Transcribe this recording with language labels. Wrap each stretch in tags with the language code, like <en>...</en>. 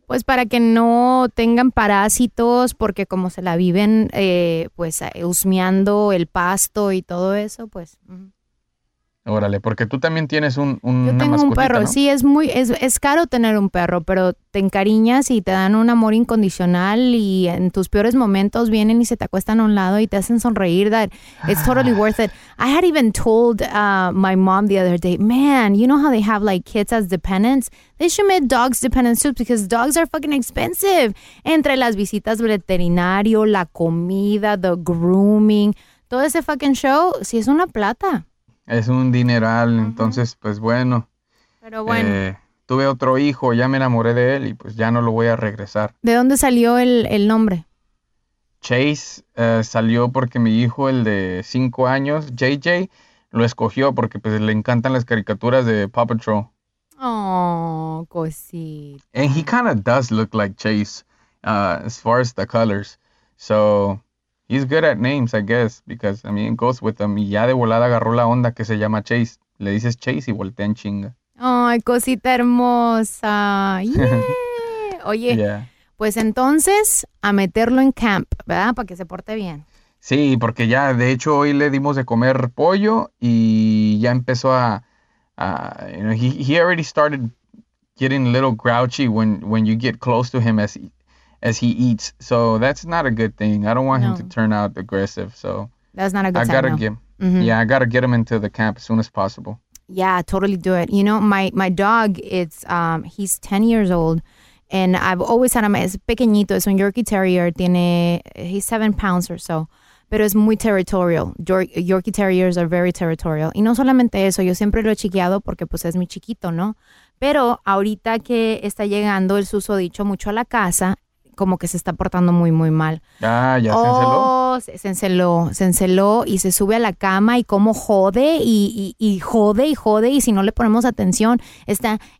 <es>Pues para que no tengan parásitos, porque como se la viven, pues, husmeando el pasto y todo eso, pues. Órale, porque tú también tienes una mascotita, ¿no? Yo tengo un perro, ¿no? Sí, es caro tener un perro, pero te encariñas y te dan un amor incondicional y en tus peores momentos vienen y se te acuestan a un lado y te hacen sonreír.</es> <en>That it's totally worth it. I had even told my mom the other day, man, you know how they have like kids as dependents? They should make dogs dependents too, because dogs are fucking expensive.</en> <es>Entre las visitas veterinario, la comida,</es> <en>the grooming,</en> <es>todo ese fucking show, sí es una plata. Es un dineral, uh-huh. Entonces, pues bueno. Pero bueno. Tuve otro hijo, ya me enamoré de él y pues ya no lo voy a regresar. ¿De dónde salió el nombre? Chase salió porque mi hijo, el de 5 años, JJ, lo escogió porque pues le encantan las caricaturas de Paw Patrol. Oh, cosita.</es> <en>And he kind of does look like Chase as far as the colors. So he's good at names, I guess, because, I mean, it goes with him.</en> <es>Y ya de volada agarró la onda que se llama Chase. Le dices Chase y voltea en chinga. Ay, cosita hermosa. Yeah. Oye, yeah. Pues entonces a meterlo en camp, ¿verdad? Para que se porte bien. Sí, porque ya, de hecho, hoy le dimos de comer pollo y ya empezó</es> <en>he already started getting a little grouchy when you get close to him as he eats. So that's not a good thing. I don't want him to turn out aggressive. So that's not a good I gotta get him into the camp as soon as possible. Yeah, totally do it. You know, my dog, it's he's 10 years old and I've always had him.</en> <es>Es pequeñito, es un Yorkie Terrier.</es> <en>He's 7 pounds or so.</en> <es>Pero es muy territorial.</es> <en>Yorkie Terriers are very territorial.</en> <es>Y no solamente eso, yo siempre lo he chiqueado porque pues es mi chiquito, ¿no? Pero ahorita que está llegando el susodicho mucho a la casa, como que se está portando muy, muy mal. Ah, ¿ya se enceló? Se enceló y se sube a la cama y como jode y jode y jode y si no le ponemos atención, está</es>